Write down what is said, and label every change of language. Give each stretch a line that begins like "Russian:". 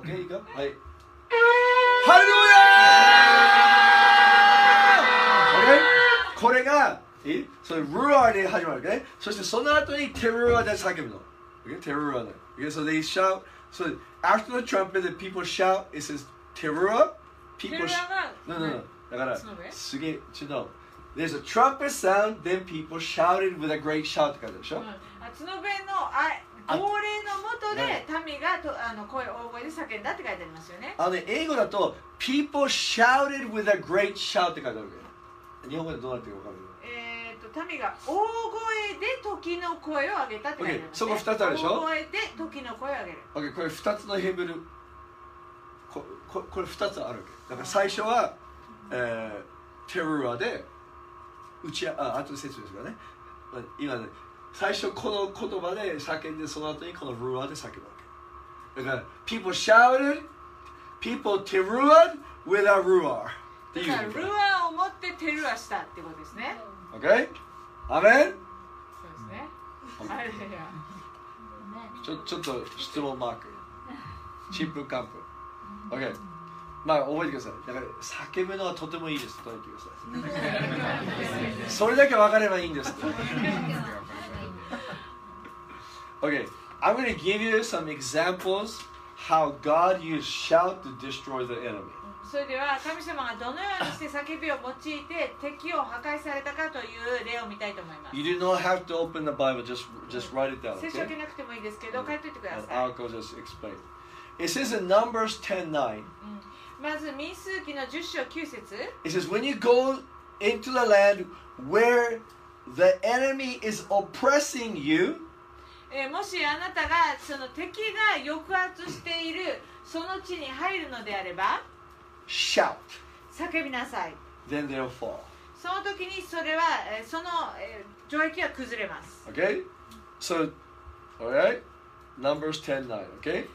Japanese: Okay? いいか？はい。ハレルヤー、これがえ、それルアーで始まるわけね。そしてその後にテルアーで叫ぶの。テルアーで。
English: Okay? So they shout. So after the trumpet, the people shout. It says テルアー。
Japanese: テルアーが。
English: No, no, no.
Japanese: だから、すげえ、ちょっと。
English: There's a trumpet sound, then people shouted with a great shout
Japanese: とかでしょ。角笛の号令のもとで民が大声で叫んだって書いてありますよね。あの英語だと
English: people shouted with a great shout
Japanese: って書いてあるわけ。日本語でどうなってるか分かる？民が大声で時の声を上げたって書いてあるね。そこ2つあるでしょ。大声で時の声を上げる。 Okay, これ2つのヘブル、これ2つあるわけ。だから最初は、テルアで打ち、あとの説明ですからね。今ね、最初この言葉で叫んで、その後にこのルアで叫ぶわけ。だから、
English: people shouted, people teruad with a ruar.
Japanese: だから、ルアを持ってテルアしたってことですね。 OK? アメン？そうですね。ちょっと質問マーク。チップカンプ。OK? まあ、覚えてください。だから、叫ぶのはとてもいいです。覚えてください。それだけ分かればいいんです。
English: Okay, I'm going to give you some examples how God used shout to destroy the enemy. So,
Japanese: では神様がどのようにして叫びを用いて敵を破壊されたかという例を見たいと思います。
English: You do not have to open the Bible, just write it down.
Japanese: 聖書を開けなくてもいいですけど、書いておいてください。
English: I'll go just explain. It says in Numbers 10:9.
Japanese: まず民数記の10章9節。
English: It says, when you go into the land where the enemy is oppressing you,
Japanese: もしあなたがその敵が抑圧しているその地に入るのであれば、
English: shout、
Japanese: 叫びなさい。
English: Then they'll fall。
Japanese: その時にそれはその城壁は崩れます。
English: Okay, so, alright, Numbers 10:9, okay?